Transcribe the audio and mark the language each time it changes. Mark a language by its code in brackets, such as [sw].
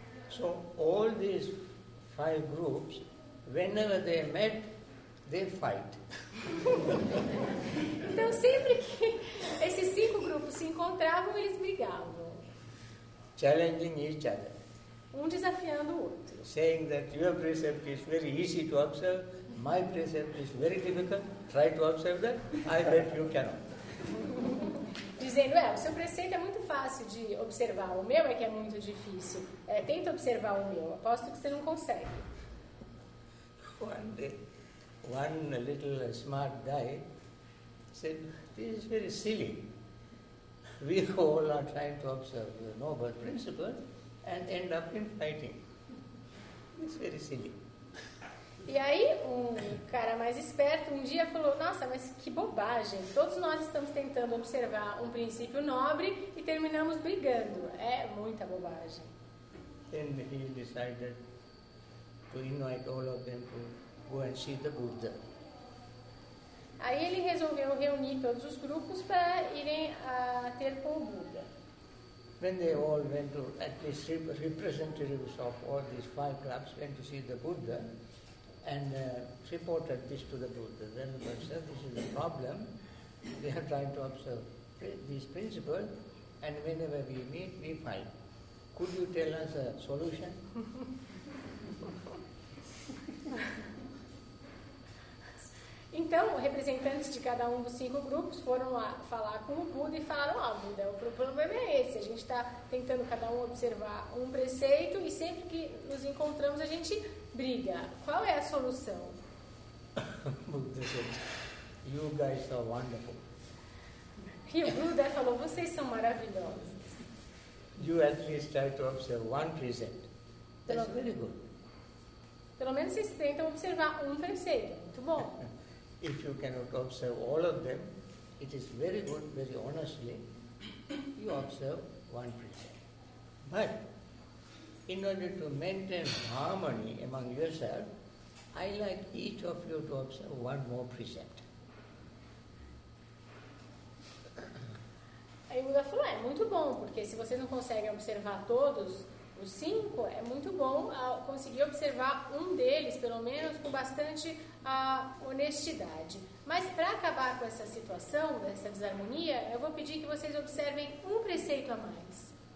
[en] So, all these five groups, whenever they met, they fight. [pt] Então, sempre que esses cinco grupos se encontravam, eles brigavam. [en] challenging each other. [pt] Um desafiando o outro. [en] Saying that your precept is very easy to observe, my precept is very difficult, try to observe that, I bet you cannot. [pt] Dizendo, o seu preceito é muito fácil de observar, o meu é que é muito difícil. É, tenta observar o meu, aposto que você não consegue. [en] One day, one little smart guy said, this is very silly. We all are trying to observe the noble principle and end up in fighting. It's very silly. [pt] E aí, cara mais esperto um dia falou, nossa, mas que bobagem. Todos nós estamos tentando observar um princípio nobre e terminamos brigando. É muita bobagem. [en] Then he decided to invite all of them to go and see the Buddha. [pt] Aí ele resolveu reunir todos os grupos para irem ter com o Buda. [en] When they all went to, at least representatives of all these five clubs went to see the Buddha, and reported this to the Buddha. Then the Buddha said, this is a problem. We are trying to observe these principles, and whenever we meet, we fight. Could you tell us a solution? [pt] Então, representantes de cada um dos cinco grupos foram lá falar com o Buda e falaram, ó, Buda, o problema é esse, a gente está tentando cada um observar um preceito e sempre que nos encontramos a gente briga. Qual é a solução? Buda disse, [en] you guys are wonderful. [pt] E o Buda falou, vocês são maravilhosos. [en] You at least try to observe one precept. That's very good. [pt] Pelo menos vocês tentam observar um preceito, muito bom. [en] If you cannot observe all of them, it is very good, very honestly, you observe one precept. But in order to maintain harmony among yourself, I like each of you to observe one more precept. [pt] Aí o Buda falou, é muito bom, porque se você não consegue observar todos os cinco, é muito bom conseguir observar um deles, pelo menos, com bastante honestidade. Mas para acabar com essa situação, dessa desarmonia, eu vou pedir que vocês observem um preceito a mais.